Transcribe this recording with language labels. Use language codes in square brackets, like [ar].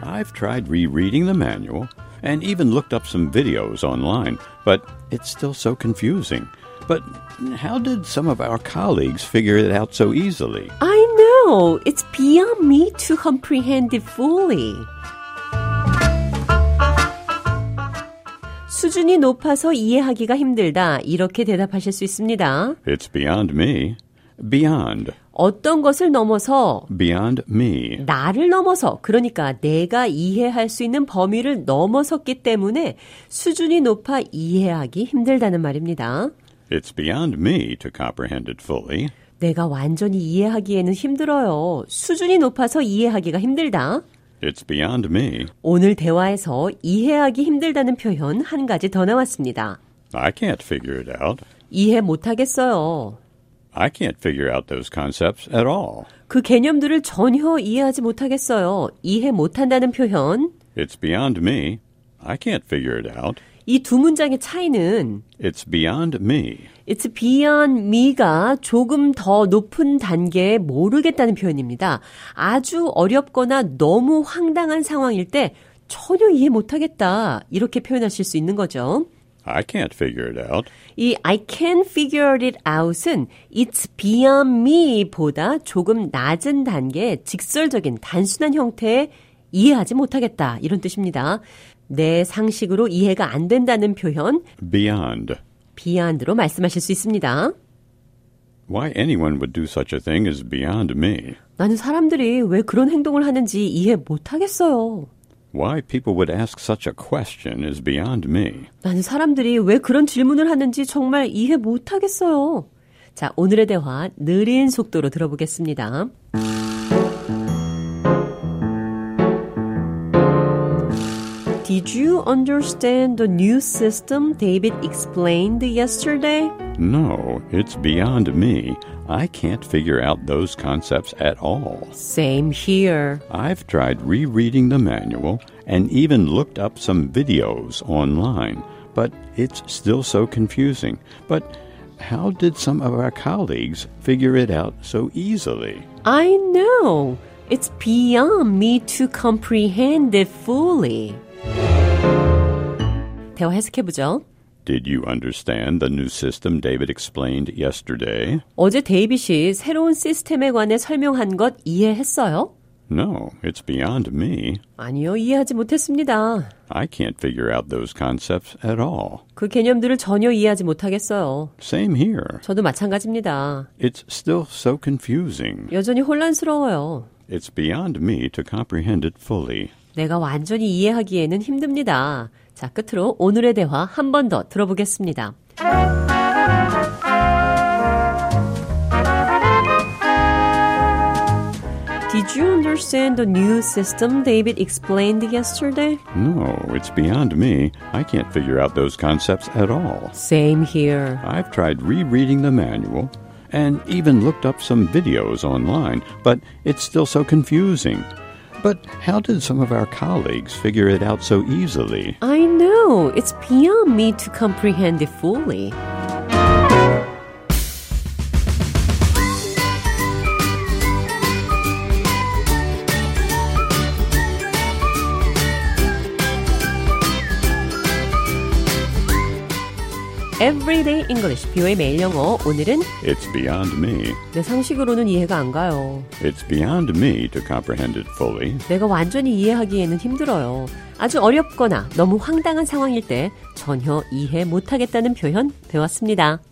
[en] I've tried rereading the manual and even looked up some videos online, but it's still so confusing. But how did some of our colleagues figure it out so easily? I know. It's beyond me to comprehend it fully. [ko] 수준이 높아서 이해하기가 힘들다. 이렇게 대답하실 수 있습니다. [en] It's beyond me. Beyond. [ko] 어떤 것을 넘어서 [en] Beyond me. [ko] 나를 넘어서, 그러니까 내가 이해할 수 있는 범위를 넘어섰기 때문에 수준이 높아 이해하기 힘들다는 말입니다. [en] It's beyond me to comprehend it fully. [ko] 내가 완전히 이해하기에는 힘들어요. 수준이 높아서 이해하기가 힘들다. [en] It's beyond me. [ko] 오늘 대화에서 이해하기 힘들다는 표현 한 가지 더 나왔습니다. [en] I can't figure it out. [ko] 이해 못 하겠어요. [en] I can't figure out those concepts at all. [ko] 그 개념들을 전혀 이해하지 못하겠어요. 이해 못 한다는 표현. [en] It's beyond me. I can't figure it out. [ko] 이 두 문장의 차이는 [en] It's beyond me. It's beyond me [ko] 가 조금 더 높은 단계의 모르겠다는 표현입니다. 아주 어렵거나 너무 황당한 상황일 때 전혀 이해 못하겠다 이렇게 표현하실 수 있는 거죠. [en] I can't figure it out. [ko] 이 [en] I can't figure it out [ko] 은 [en] It's beyond me [ko] 보다 조금 낮은 단계의 직설적인 단순한 형태의 이해하지 못하겠다 이런 뜻입니다. 내 상식으로 이해가 안 된다는 표현 [en] Beyond. [ko] Beyond로 말씀하실 수 있습니다. [en] Why anyone would do such a thing is beyond me. [ko] 나는 사람들이 왜 그런 행동을 하는지 이해 못하겠어요. [en] Why people would ask such a question is beyond me. [ko] 나는 사람들이 왜 그런 질문을 하는지 정말 이해 못하겠어요. 자, 오늘의 대화 느린 속도로 들어보겠습니다. [en] Did you understand the new system David explained yesterday? No, it's beyond me. I can't figure out those concepts at all. Same here. I've tried rereading the manual and even looked up some videos online, but it's still so confusing. But how did some of our colleagues figure it out so easily? I know. It's beyond me to comprehend it fully. [ko] 대화 해석해보죠. [en] Did you understand the new system David explained yesterday? [ko] 어제 데이빗이 새로운 시스템에 관해 설명한 것 이해했어요? [en] No, it's beyond me. [ko] 아니요, 이해하지 못했습니다. [en] I can't figure out those concepts at all. [ko] 그 개념들을 전혀 이해하지 못하겠어요. [en] Same here. [ko] 저도 마찬가지입니다. [en] It's still so confusing. [ko] 여전히 혼란스러워요. [en] It's beyond me to comprehend it fully. [ko] 내가 완전히 이해하기에는 힘듭니다. 자, 끝으로 오늘의 대화 한 번 더 들어보겠습니다. [en] Did you understand the new system David explained yesterday? No, it's beyond me. I can't figure out those concepts at all. Same here. I've tried rereading the manual and even looked up some videos online, but it's still so confusing. But how did some of our colleagues figure it out so easily? I know. It's beyond me to comprehend it fully. [ko] Everyday English, 뷰의 매일 영어, 오늘은 [en] It's beyond me. [ko] 내 상식으로는 이해가 안 가요. [en] It's beyond me to comprehend it fully. [ko] 내가 완전히 이해하기에는 힘들어요. 아주 어렵거나 너무 황당한 상황일 때 전혀 이해 못하겠다는 표현 배웠습니다.